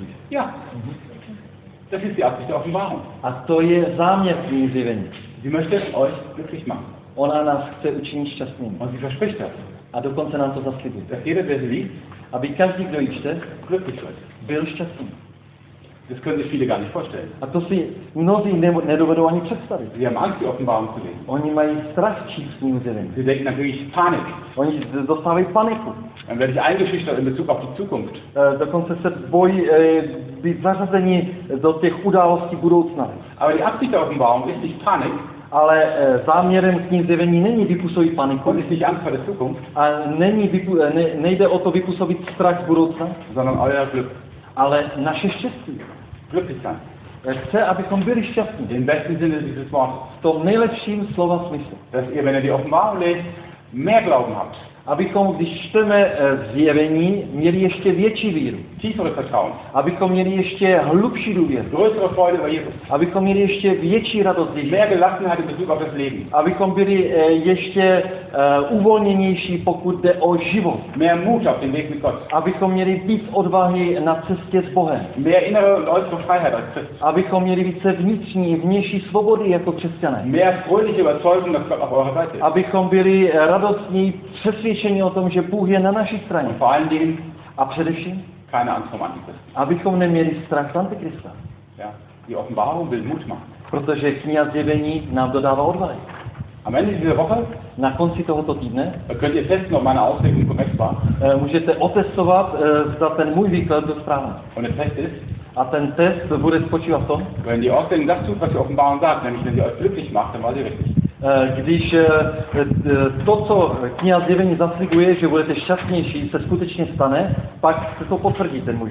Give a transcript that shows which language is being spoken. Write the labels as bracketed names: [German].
[German] Ja, das ist die Absicht der Offenbarung. [Czech] A to je záměr knihy Zjevení. [German] Sie möchte euch glücklich machen. [Czech] Ona nás chce učinit šťastnými. [German] On si verspricht das. [Czech] A dokonce nám to zaslíbí. [German] Dass jeder, der sie liest, [Czech] aby každý, kdo ji čte, [German] glücklich wird. [Czech] Byl šťastný. [German] Das können sich viele gar nicht vorstellen. [Czech] A to si mnozí nedovedou ani představit. [German] Sie haben Angst, die Offenbarung zu lesen. [Czech] Oni mají strach číst knihu zjevení. [German] Sie denken natürlich Panik. [Czech] Oni dostávají paniku. [German] Dann werde ich eingeschüchtert in Bezug auf die Zukunft. [Czech] Dokonce se bojí být zařazení do těch událostí budoucna. [German] Aber die Absicht der Offenbarung ist nicht Panik. [Czech] Ale záměrem knihy zjevení není vypůsobit paniku. [German] Und ist nicht Angst vor der Zukunft. [Czech] A není nejde o to vypůsobit strach z budoucna. [German] Sondern euer Glück. [Czech] Ale naše štěstí. [German] Glücklich sein. [Czech] Chce, abychom byli šťastní. [German] Im besten Sinne dieses Wort. [Czech] V tom nejlepším slova smyslu. [German] Dass ihr, wenn ihr die Offenbarung lest, mehr Glauben habt. [Czech] Abychom, když čteme zjevení, měli ještě větší víru. [German] Tiefere Vertrauen. [Czech] Abychom měli ještě hlubší důvěru. [German] Größere Freude über Jesus. [Czech] Abychom měli ještě větší radost z Ježíše. [German] Mehr Gelassenheit in Bezug auf das Leben. [Czech] Abychom byli ještě uvolněnější, pokud jde o život. [German] Mehr Mut auf den Weg mit Gott. [Czech] Abychom měli víc odvahy na cestě s Bohem. [German] Mehr innere und äußere Freiheit als Christ. [Czech] Abychom měli více vnitřní, vnější svobody jako křesťané. [German] Mehr fröhliche Überzeugung, dass Gott auf eurer Seite ist. [Czech] Abychom byli radostní, přesvědčení o tom, že Bůh je na naší straně. [German] Vor allen Dingen, [Czech] a především, [German] keine Angst vor Antichristen. [Czech] Abychom neměli strach z Antichrista. [German] Ja, die Offenbarung will Mut machen. [Czech] Protože kniha zjevení nám dodává odvahy. [German] Am Ende dieser Woche, [Czech] na konci tohoto týdne, [German] könnt ihr testen, ob meine Auslegung korrekt war. [Czech] Můžete otestovat, zda ten můj výklad byl správný. [German] Und der Test ist, [Czech] a ten test bude spočívat v tom, [German] wenn die Auslegung das tut, was die Offenbarung sagt, nämlich wenn sie euch glücklich macht, dann war sie richtig. [Czech] Když to, co kniha zjevení zasliguje, že budete šťastnější, se skutečně stane, pak se to potvrdí ten můj